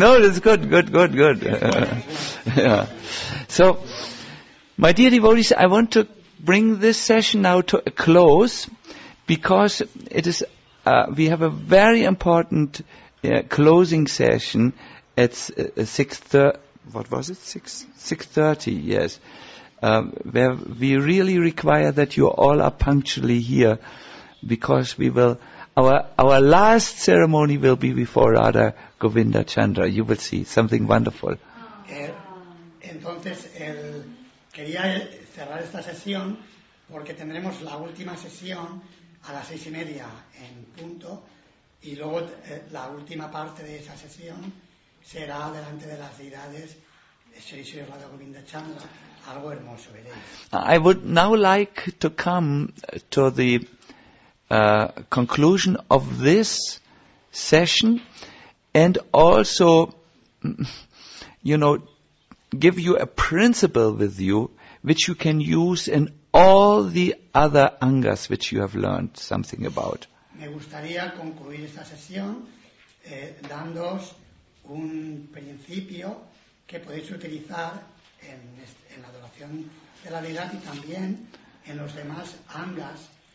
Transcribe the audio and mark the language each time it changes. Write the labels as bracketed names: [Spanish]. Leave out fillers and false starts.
[English] No, it's good, good, good, good. Yeah. So, my dear devotees, I want to bring this session now to a close because it is, we have a very important closing session at 6:30, yes. Where we really require that you all are punctually here. Because we will, our last ceremony will be before Radha Govinda Chandra. You will see something wonderful. [Spanish] Entonces, quería cerrar esta sesión porque tendremos la última sesión a las 6:30 en punto, y luego la última parte de esa sesión será delante de las deidades Sri Sri Radha Govinda Chandra. Algo hermoso, ¿verdad? [English] I would now like to come to the conclusion of this session and also, you know, give you a principle with you which you can use in all the other angas which you have learned something about. [Spanish] Me gustaría concluir esta sesión dándoos un principio que podéis utilizar en la adoración de la deidad y también en los demás angas.